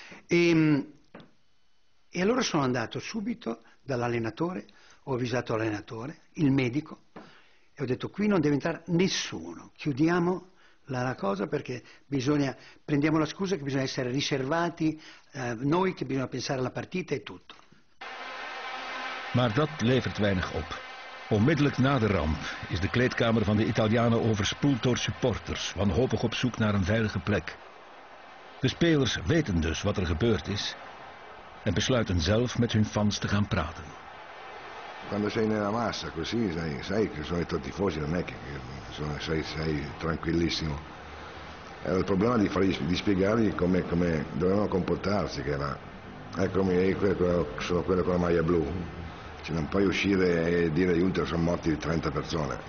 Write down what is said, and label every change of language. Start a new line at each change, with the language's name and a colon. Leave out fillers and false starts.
Italian: E allora sono andato subito dall'allenatore, ho avvisato l'allenatore, il medico, e ho detto qui non deve entrare nessuno, chiudiamo la cosa perché bisogna, prendiamo la scusa che bisogna essere riservati, noi che bisogna pensare alla partita e tutto.
Dutch: Maar dat levert weinig op. Onmiddellijk na de ramp is de kleedkamer van de Italianen overspoeld door supporters, wanhopig op zoek naar een veilige plek. De spelers weten dus wat er gebeurd is en besluiten zelf met hun fans te gaan praten.
Italian: Quando sei nella massa così, sai che sono i tifosi, non è che sei tranquillissimo. Era il problema di spiegargli come dovevano comportarsi, che era eccomi, sono quello con la maglia blu. Cioè, non puoi uscire e dire aiuto, sono morti 30 persone.